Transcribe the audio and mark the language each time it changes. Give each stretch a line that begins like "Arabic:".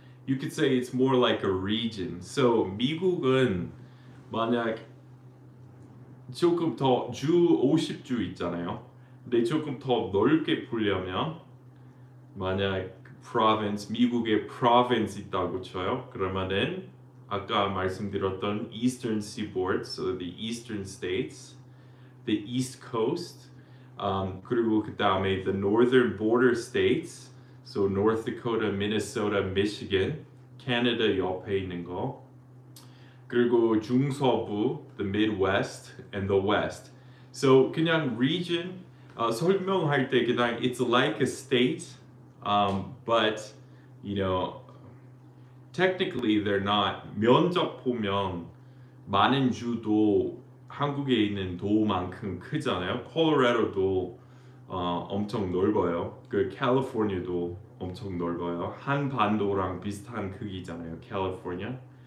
English: You could say it's more like a region.
Korean: So 미국은 만약 조금 더 주 50주 있잖아요. 근데 조금 더 넓게 풀려면 만약 province 미국의 province 있다고 쳐요. 그러면은 아까 말씀드렸던
English: Eastern Seaboard, so the Eastern States, the East Coast,
Korean: 그리고 그다음에
English: the Northern Border States, so North Dakota, Minnesota, Michigan,
Korean: Canada 옆에 있는 거. 그리고 중서부,
English: the Midwest, and the West. So
Korean: 그냥 region, 설명할 때 그냥
English: it's like a state, but, you know, technically they're not.
Korean: 면적 보면 많은 주도 한국에 있는 도만큼 크잖아요. Colorado도 엄청 넓어요. 그 California도 엄청 넓어요. 한반도랑 비슷한 크기잖아요, California.